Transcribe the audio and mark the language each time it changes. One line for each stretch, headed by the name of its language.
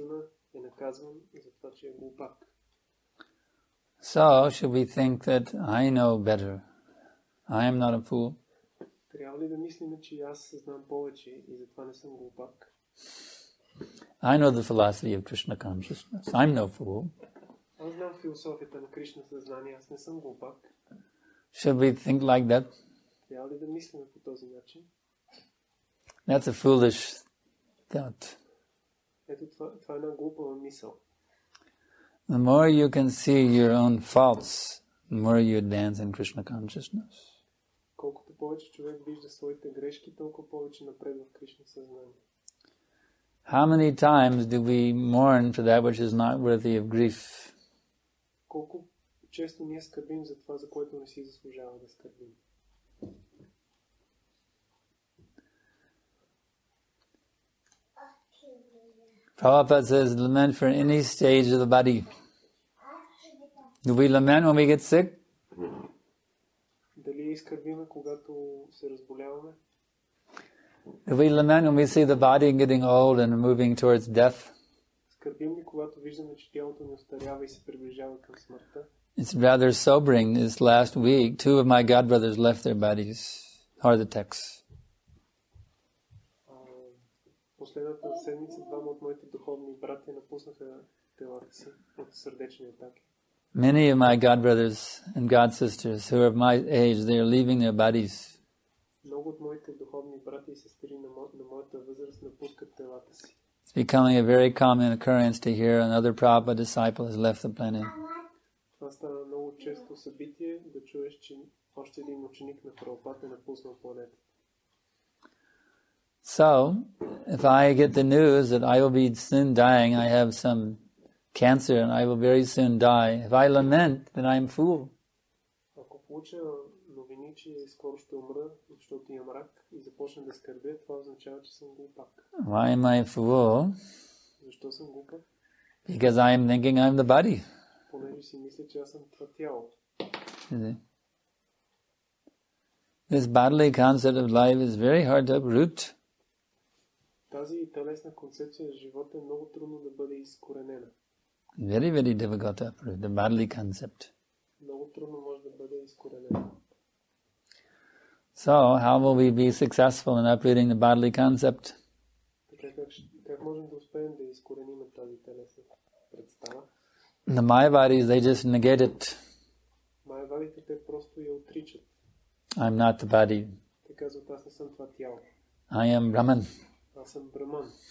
Bulgarian: Арджуна е наказван за това, че е глупак.
English: So should we think that I know better? I am not a fool.
Bulgarian: Трябва ли да мислим, че аз знам повече и затова не съм глупак?
English: I know the philosophy of Krishna consciousness. I'm no fool.
Bulgarian: Аз знам философията на Кришна съзнание, аз не съм глупак.
English: Should we think like that?
Bulgarian: Трябва ли да мислим по този начин?
English: That's a foolish thought.
Bulgarian: Ето това е една глупава мисъл.
English: The more you can see your own faults, the more you advance in Krishna consciousness.
Bulgarian: Колкото повече човек вижда своите грешки, толкова повече напредва в Кришна съзнание.
English: How many times do we mourn for that which is not worthy of grief?
Bulgarian: Колко често ние скърбим за това, за което не си заслужава да скърбим?
English: Prabhupada says, lament for any stage of the body. Do we lament when we get sick?
Bulgarian: Дали скърбим, когато се разболяваме?
English: Do we lament when we see the body getting old and moving towards death?
Bulgarian: Скърбим ли, когато виждаме, че тялото ни остарява и се приближава към смъртта?
English: It's rather sobering. This last week, two of my godbrothers left their bodies. Heart attacks.
Bulgarian: Последната седмица двама от моите духовни братя напуснаха телата си от сърдечни атаки.
English: Many of my godbrothers and godsisters who are of my age, they are leaving their bodies.
Bulgarian: Много от моите духовни брати и сестри на моята възраст напускат телата си.
English: It's becoming a very common occurrence to hear another Prabhupada disciple has left the planet.
Bulgarian: Това става много често събитие да чуеш, че още един ученик на Прабхупада е напуснал планета.
English: So, if I get the news that I will be soon dying, I have some cancer and I will very soon die, if I lament, then I am a fool.
Bulgarian: Ако получа новини, че скоро ще умра, защото имам рак и започна да скърбя, това означава, че съм глупак.
English: Why am I a fool?
Bulgarian: Защо съм глупак?
English: Because I am thinking I am the body.
Bulgarian: Понеже си мисля, че аз съм това тяло.
English: This bodily concept of life is very hard to uproot.
Bulgarian: Тази телесна концепция за живота е много трудно да бъде изкоренена.
English: Very, very difficult to uproot, the bodily concept.
Bulgarian: Много трудно може да бъде изкоренена.
English: So, how will we be successful in uprooting the bodily concept?
Bulgarian: Как можем да успеем да изкореним тази телесна представа?
English: The Mayavadis, they just negate it.
Bulgarian: Mayavadите те просто я отричат.
English: I'm not the body.
Bulgarian: Те казват, аз не съм това тяло.
English: I am Brahman.
Bulgarian: Аз съм Браман.